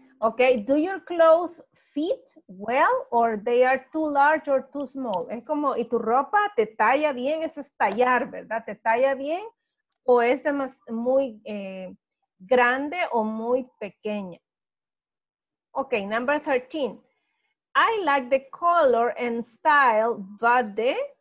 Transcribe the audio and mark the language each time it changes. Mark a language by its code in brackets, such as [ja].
[en] Okay, do your clothes fit well or they are too large or too small? [es] Es como, ¿y tu ropa te talla bien? Eso es tallar, ¿verdad? ¿Te talla bien? ¿O es de más, muy grande o muy pequeña? [en] Ok, number 13. I like the color and style, but the...